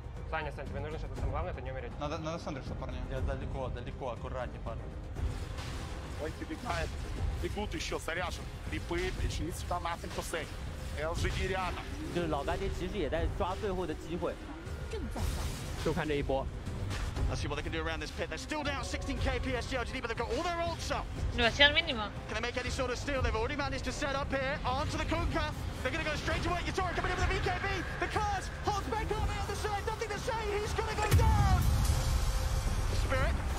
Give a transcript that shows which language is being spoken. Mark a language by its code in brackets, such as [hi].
[ru] Саня, Сань, тебе нужно, чтобы самое главное, это не умереть. Надо, надо Сандрюшу, парни. Я далеко, далеко, аккуратнее, парни. Ой, перебегает. Бегут еще, заряжен. Рипы, пришли сюда нафиг тусей. LGD рядом. [zh] 就是老大爹其实也在抓最后的机会就看这一波 [en] Let's see what they can do around this pit. They're still down 16k PSG LGD, but they've got all their ults up. [es] Demasiado mínimo. [en] Can they make any sort of steal? They've already managed to set up here. On to the Kunkka. They're going to go straight to it. Yatora coming in with a BKB. The curse holds back on the other side. Nothing to say. He's going to go down. Spirit.